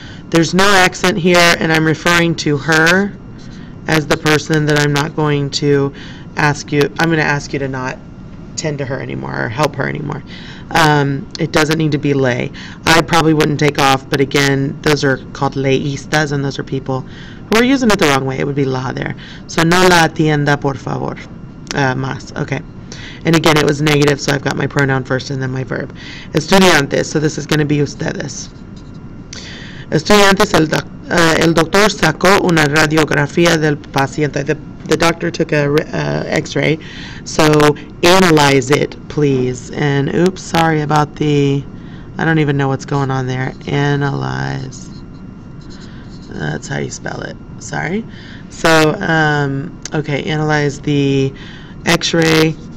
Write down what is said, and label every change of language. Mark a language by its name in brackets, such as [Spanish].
[English] There's no accent here, and I'm referring to her as the person that I'm not going to ask you. I'm going to ask you to not tend to her anymore or help her anymore. It doesn't need to be lay. I probably wouldn't take off, but again, those are called leístas, and those are people who are using it the wrong way. It would be la there. [Spanish] So no la atienda, por favor, más. [English] Okay. And again, it was negative, so I've got my pronoun first and then my verb. Estudiantes, so this is going to be ustedes. [Spanish] Estudiantes, el doctor sacó una radiografía del paciente. [English] The doctor took a x-ray, so analyze it, please. And oops, sorry about the, I don't even know what's going on there. Analyze. That's how you spell it. Sorry. So, okay, analyze the x-ray.